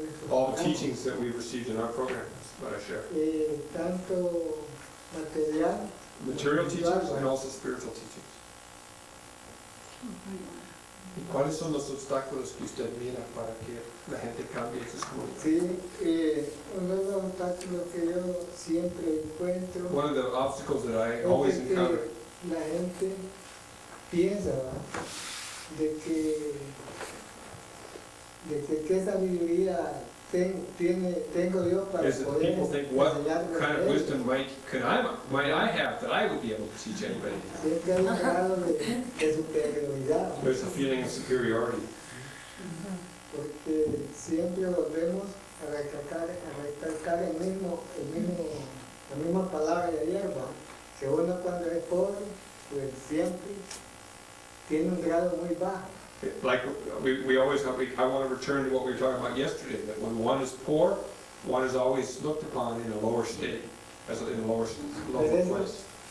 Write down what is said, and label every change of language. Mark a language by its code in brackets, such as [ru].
[en] All the teachings that we've received in our program is what I share. Material teachings and also spiritual teachings. [es] ¿Cuáles son los obstáculos que usted mira para que la gente cambie su escuela? Sí, uno de los obstáculos que yo siempre encuentro. [en] One of the obstacles that I always encounter. [es] La gente piensa de que qué sabiduría tengo yo para poder enseñarle. [en] What kind of wisdom might I have that I would be able to teach anybody? There's a feeling of superiority. [es] Porque siempre volvemos a recalcar la misma palabra de ayer, que uno cuando es pobre, pues siempre tiene un grado muy bajo. [en] Like I want to return to what we were talking about yesterday, that when one is poor, one is always looked upon in a lower state, as in a lower level place.